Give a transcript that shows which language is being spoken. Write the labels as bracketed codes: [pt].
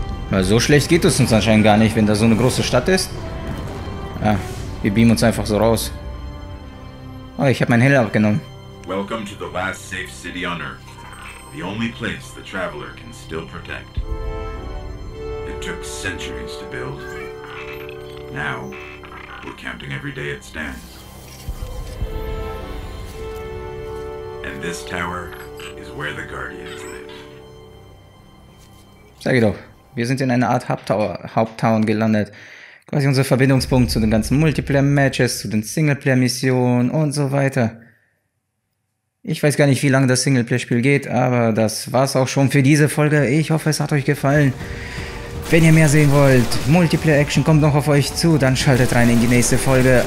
[de] Weil so schlecht geht es uns anscheinend gar nicht, wenn da so eine große Stadt ist. Ja, wir beamen uns einfach so raus. Oh, ich habe mein Helm abgenommen. [en] Welcome to the last safe city on Earth. The only place the Traveler can still protect. It took centuries to build. Now, we're counting every day it stands. And this tower is where the Guardians live. [de] Sag ich doch. Wir sind in einer Art Haupttown gelandet. Quasi unser Verbindungspunkt zu den ganzen Multiplayer-Matches, zu den Singleplayer-Missionen und so weiter. Ich weiß gar nicht, wie lange das Singleplayer-Spiel geht, aber das war's auch schon für diese Folge. Ich hoffe, es hat euch gefallen. Wenn ihr mehr sehen wollt, Multiplayer-Action kommt noch auf euch zu, dann schaltet rein in die nächste Folge.